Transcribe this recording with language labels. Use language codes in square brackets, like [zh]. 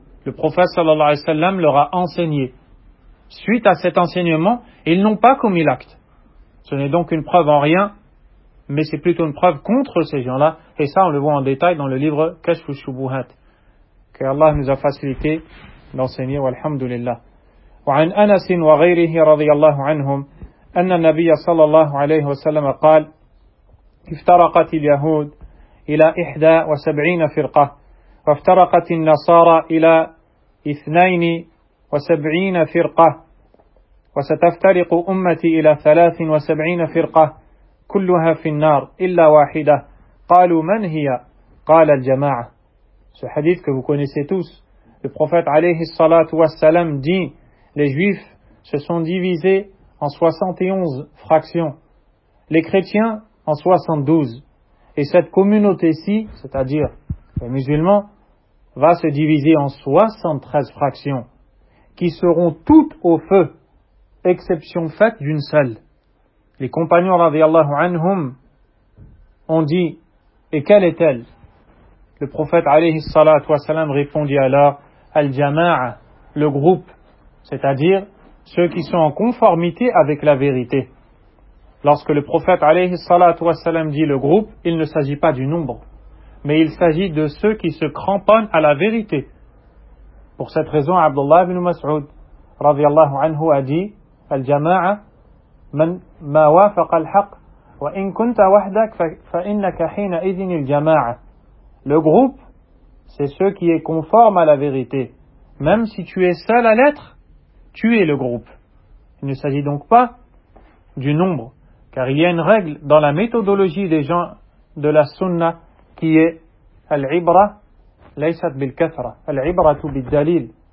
[fr] Le prophète sallallahu alayhi wa sallam leur a enseigné. Suite à cet enseignement, ils n'ont pas commis l'acte. Ce n'est donc une preuve en rien, mais c'est plutôt une preuve contre ces gens-là. Et ça, on le voit en détail dans le livre « Kashf al-Shubuhat ». Que Allah nous a facilité d'enseigner. [ar] « Walhamdulillah ». وعن أنس وغيره رضي الله عنهم أن النبي صلى الله عليه وسلم قال افترقت اليهود إلى 71 فرقة وافترقت النصارى إلى 72 فرقة وستفترق أمتي إلى 73 فرقة كلها في النار إلا واحدة قالوا من هي قال الجماعة. [fr] Ce hadith que vous connaissez tous, le prophète alayhi salatu wassalam dit, les juifs se sont divisés en 71 fractions, les chrétiens en 72. Et cette communauté-ci, c'est-à-dire les musulmans, va se diviser en 73 fractions, qui seront toutes au feu, exception faite d'une seule. Les compagnons, radiyallahu anhum, ont dit, et quelle est-elle? Le prophète, alayhi salatu wassalam, répondit alors, al-jama'a, le groupe, c'est-à-dire ceux qui sont en conformité avec la vérité. Lorsque le prophète alayhi salatu wassalam dit le groupe, il ne s'agit pas du nombre, mais il s'agit de ceux qui se cramponnent à la vérité. Pour cette raison, Abdullah ibn Mas'ud, radiyallahu anhu, a dit, [ar] al-jama'a, man ma wafaqa al-haq, وإن كنت وحدك فإنك حينئذ الجماعة. [fr] Le groupe, c'est ce qui est conforme à la vérité. Même si tu es seul à l'être, tu es le groupe. Il ne s'agit donc pas du nombre, car il y a une règle dans la méthodologie des gens de la sunna qui est [ar] al-ibra laysat bil-kathra, al-ibratu bil-dalil.